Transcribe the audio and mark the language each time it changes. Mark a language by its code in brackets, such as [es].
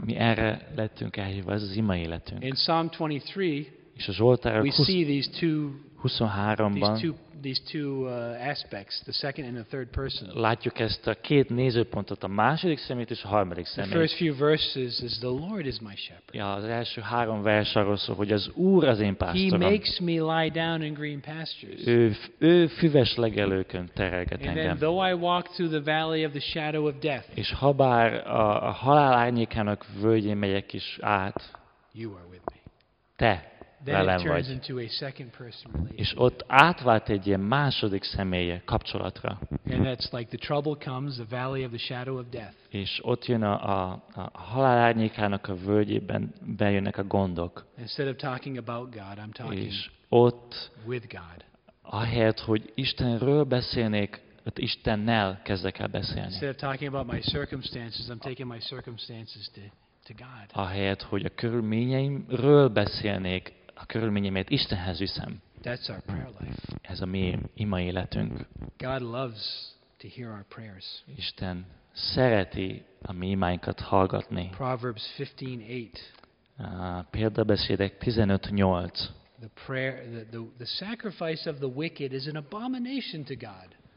[hu] Mi erre lettünk elhívva, ez az ima életünk. [en] In Psalm 23. [hu] És a Zsoltárok 23-ban. [en] These two these two aspects, the second and the third person. [hu] Látjuk ezt a két nézőpontot, a második szemét és a harmadik szemét. [en] The first few verses is the Lord is my shepherd. [hu] Ja, az első három vers arról szól, hogy az Úr az én pásztorom. [en] He makes me lie down in green pastures. [hu] Ő füves legelőkön tereget engem. [en] And then, though I walk through the valley of the shadow of death. [hu] És habár a halál árnyékának völgyén megyek is át. [en] You are with me. [hu] Te. [en] Then it turns [hu] vagy. [en] Into a second person relationship. [hu] És ott átvált egy ilyen második személye kapcsolatra. [en] And that's like the trouble comes, the valley of the shadow of death. [hu] És ott jön a halál árnyékának a völgyében bejönnek a gondok. [en] Instead of talking about God, I'm talking [hu] és ott [en] with God. [hu] Ahelyett, hogy Istenről beszélnék, ott Istennel kezdek el beszélni. [en] Instead of talking about my circumstances, I'm taking my circumstances to God. [hu] Ahelyett, hogy a körülményeimről beszélnék, a körülményeimet Istenhez viszem. [en] That's our prayer life. [hu] Ez a mi ima életünk. [en] God loves to hear our prayers. [hu] Isten szereti a mi imáinkat hallgatni. [en] Proverbs 15:8. [hu] Példabeszédek 15:8. [en] The prayer, the sacrifice of the wicked is an abomination to God.